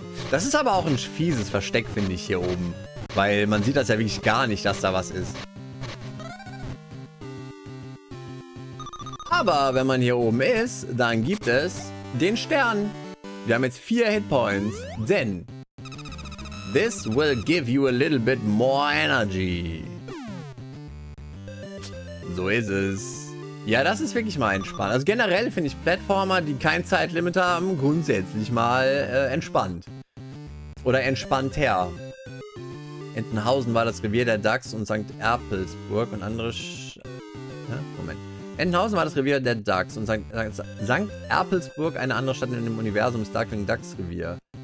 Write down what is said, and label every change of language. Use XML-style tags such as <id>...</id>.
<de>Das ist aber auch ein fieses Versteck, finde ich, hier oben. Weil man sieht das ja wirklich gar nicht, dass da was ist. Aber wenn man hier oben ist, dann gibt es den Stern. Wir haben jetzt 4 Hitpoints, denn...</de> <en>This will give you a little bit more energy.</en> <de>So ist es. Ja, das ist wirklich mal entspannt. Also generell finde ich Plattformer, die kein Zeitlimit haben, grundsätzlich mal entspannt. Oder entspannter. Entenhausen war das Revier der Ducks und St. Erpelsburg und andere... Moment. Entenhausen war das Revier der Ducks und St. Erpelsburg eine andere Stadt in dem Universum des Darkwing Ducks Revier.</de>